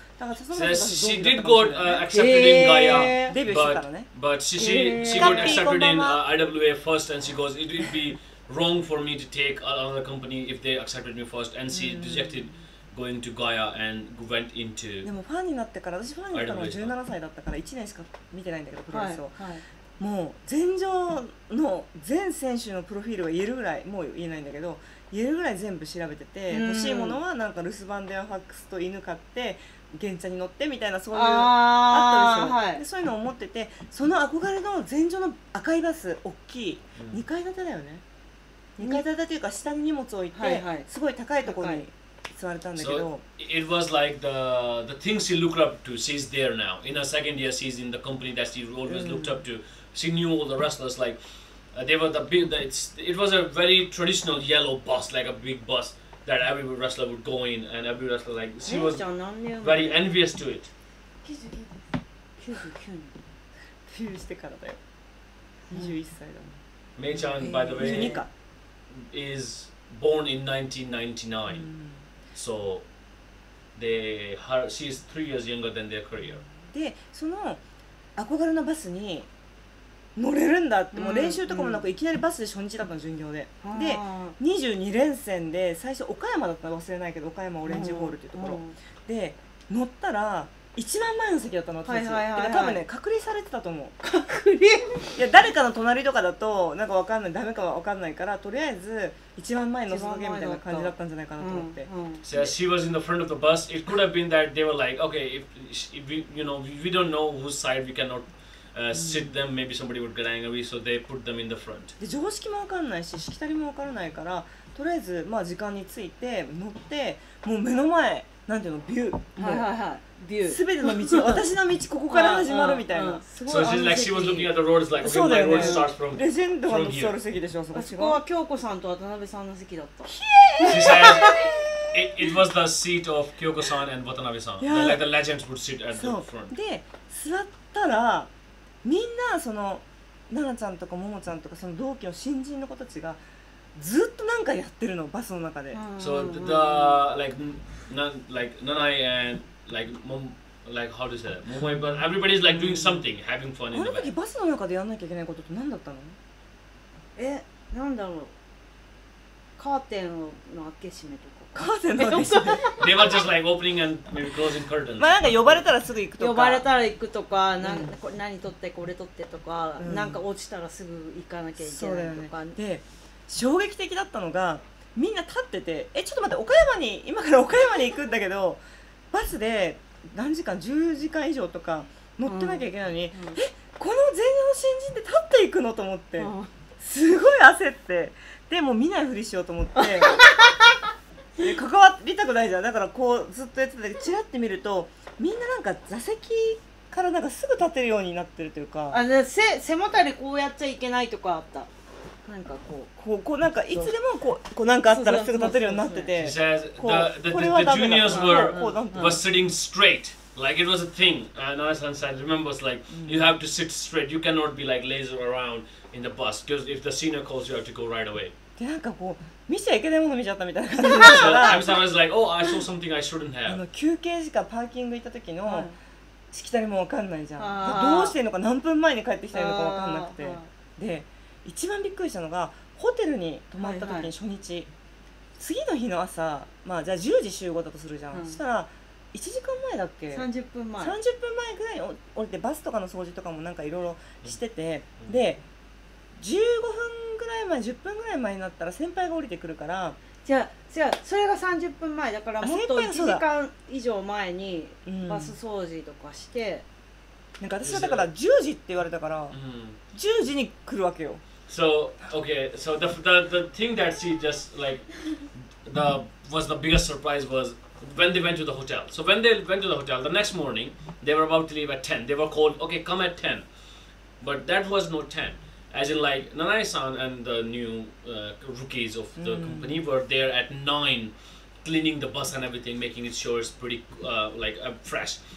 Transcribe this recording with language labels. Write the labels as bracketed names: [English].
[Japanese] だからその時に、 [English] she did got accepted in Gaia, [Japanese] デビューしてたのね。 [English] But she got accepted in IWA first, and she goes, it would be wrong for me to take another company if they accepted me first, and she rejected. Going to Gaia and went into. [Japanese] でもファンになってから、私ファンになったのが17歳だったから1年しか見てないんだけどプロレスを、はいはい。もう全場の全選手のプロフィールは言えるぐらい、もう言えないんだけど、言えるぐらい全部調べてて、欲しいものはなんか留守番電話ファックスと犬買って、現地に乗ってみたいな、そういうあったんですよ、はい、でそういうのを思ってて、その憧れの全場の赤いバス、大きい、うん、2階建てだよね。 2階建てというか下に荷物置いて、はいはい、すごい高いところに。座れたんだけど、 [English] so it was like the things she looked up to. She's there now. In her second year, she's in the company that she always looked up to. She knew all the wrestlers. Like、they were the big. It was a very traditional yellow bus, like a big bus that every wrestler would go in, and every wrestler like she was very envious to it. [Japanese] 99. 99. 99. してからだよ。21歳だもん。 [English] メイちゃん、by the way, is born in 1999. So, she is 3 years younger than their career. [Japanese] で、その憧れのバスに乗れるんだって、もう練習とかもなく、いきなりバスで初日だったの、巡業で。で、22連戦で、最初、岡山だったの忘れないけど、岡山オレンジホールっていうところ。で、乗ったら、一番前の席だったの、私。はいはいはい、多分ね、隔離されてたと思う。隔離いや、誰かの隣とかだと、なんかわかんない、ダメかはわかんないから、とりあえず、一番前のそのゲームみたいな感じだったんじゃないかなと思って。 [English] So, yeah, she was in the front of the bus. It could have been that they were like, okay, if we, you know, we don't know whose side we cannot、sit them, maybe somebody would get angry, so they put them in the front. [Japanese] で、常識もわかんないし、しきたりもわからないから、とりあえず、まあ、時間について、乗って、もう目の前、なんていうの、ビュー。はいはいはい。全ての道、私の道ここから始まるみたいな。そう、 [English] like she was looking at the road, like my road starts from here. [Japanese] レジェンドが座る席でしょ、そこは京子さんと渡辺さんの席だった。 [English] She said, it was the seat of Kyoko san and Watanabe san. Like the legends would sit at the front. [Japanese] で、座ったら、みんなその、奈々ちゃんとかももちゃんとか、その同期の新人の子たちが、ずっとなんかやってるの、バスの中で。 [English] So the, like, Nanai and... Like, mom, like, how to say that? Momoi, but everybody's like doing something, having fun in the bus. [Japanese] あの時バスの中でやんなきゃいけないことって何だったの？え、なんだろう。カーテンの開け閉めとか。カーテンの開け閉め。 [English] They were just like opening and maybe closing curtains. [Japanese] まあなんか呼ばれたらすぐ行くとか。呼ばれたら行くとか、なんか何取ってこれ取ってとか、なんか落ちたらすぐ行かなきゃいけないとか。で、衝撃的だったのが、みんな立ってて、え、ちょっと待って、岡山に、今から岡山に行くんだけど、バスで何時間、10時間以上とか乗ってなきゃいけないのに、うんうん、え、この全日本新人で立っていくのと思って、すごい焦って、でも見ないふりしようと思って、関わりたくないじゃん。だからこうずっとやってて、チラッて見ると、みんななんか座席からなんかすぐ立てるようになってるというか、あの 背もたれこうやっちゃいけないとかあった、なんかこうこうなんかいつでもこうなんかあったらすぐ立てるようになってて、そうそうそうそう、これはダメだ、 [English] the juniors were sitting straight like it was a thing and Anna-san said, remember it's like you have to sit straight, you cannot be like lazy around in the bus because if the senior calls you have to go right away [Japanese] で、なんかこう見ちゃいけないもの見ちゃったみたいな感じだから、 [English] Anna-san was like, oh, I saw something I shouldn't have. [Japanese] 休憩時間パーキング行った時の、はい、しきたりもわかんないじゃん、どうしてんのか、何分前に帰ってきたのかわかんなくて、で一番びっくりしたのがホテルに泊まった時に初日、はいはい、次の日の朝、まあじゃあ10時集合だとするじゃん、うん、したら1時間前だっけ、 30分前ぐらいに降りてバスとかの掃除とかもなんかいろいろしてて、で15分ぐらい前、10分ぐらい前になったら先輩が降りてくるから、じゃあそれが30分前だから、もっと1時間以上前にバス掃除とかして、うん、なんか私はだから10時って言われたから、うん、10時に来るわけよ。 [English] So, okay, so the thing that she just like the was the biggest surprise was when they went to the hotel. So when they went to the hotel, the next morning they were about to leave at 10. They were called, okay, come at 10. But that was not 10. As in like Nanae-san and the new rookies of the company were there at 9, cleaning the bus and everything, making it sure it's pretty fresh.